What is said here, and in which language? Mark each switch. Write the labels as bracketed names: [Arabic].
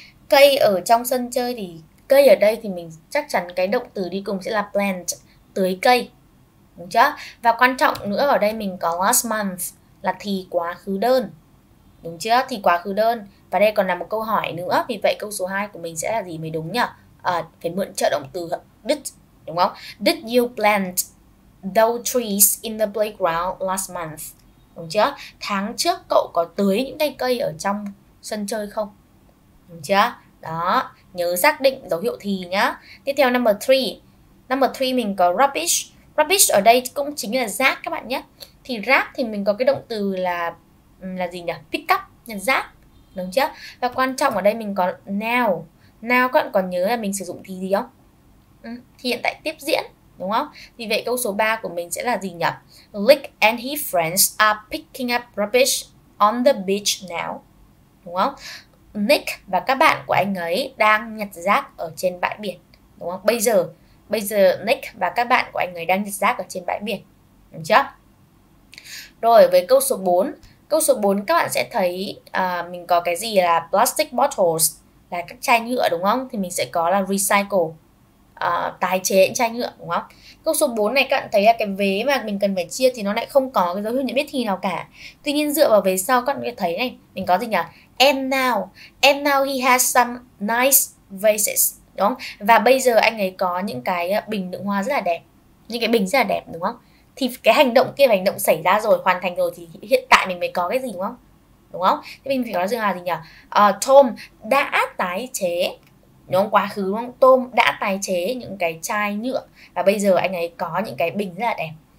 [Vietnamese] Cây ở trong sân chơi thì cây ở đây thì mình chắc chắn cái động từ đi cùng sẽ là plant, tưới cây, đúng chưa? Và quan trọng nữa ở đây mình có last month là thì quá khứ đơn, đúng chưa? Thì quá khứ đơn. Và đây còn là một câu hỏi nữa, vì vậy câu số 2 của mình sẽ là gì mới đúng nhỉ? Phải mượn trợ động từ did, đúng không? [English] Did you plant those trees in the playground last month? [Vietnamese] Đúng chưa? Tháng trước cậu có tưới những cái cây ở trong sân chơi không? Đúng chưa? Đó, nhớ xác định dấu hiệu thì nhá. Tiếp theo number 3. Number 3 mình có rubbish. Rubbish ở đây cũng chính là rác các bạn nhé. Thì rác thì mình có cái động từ là gì nhỉ? Pick up, rác. Đúng chưa? Và quan trọng ở đây mình có now. Now các bạn còn nhớ là mình sử dụng thì gì không? Thì hiện tại tiếp diễn, đúng không? Vì vậy câu số 3 của mình sẽ là gì nhỉ? [English] Lick and his friends are picking up rubbish on the beach now. [Vietnamese] Đúng không? Nick và các bạn của anh ấy đang nhặt rác ở trên bãi biển, đúng không? Bây giờ Nick và các bạn của anh ấy đang nhặt rác ở trên bãi biển, đúng chưa? Rồi với câu số 4 các bạn sẽ thấy mình có cái gì là plastic bottles là các chai nhựa, đúng không? Thì mình sẽ có là recycle, tái chế những chai nhựa, đúng không? Câu số 4 này các bạn thấy là cái vế mà mình cần phải chia thì nó lại không có cái dấu hiệu nhận biết thì nào cả. Tuy nhiên dựa vào vế sau các bạn thấy này, mình có gì nhỉ? [English] And now he has some nice vases, [Vietnamese] đúng không? Và bây giờ anh ấy có những cái bình đựng hoa rất là đẹp, những cái bình rất là đẹp, đúng không? Thì cái hành động kia, hành động xảy ra rồi, hoàn thành rồi thì hiện tại mình mới có cái gì, đúng không? Đúng không? Thế mình phải có dựa vào gì nhỉ? Tom đã tái chế, đúng không? Quá khứ, đúng không? Tom đã tái chế những cái chai nhựa và bây giờ anh ấy có những cái bình rất là đẹp.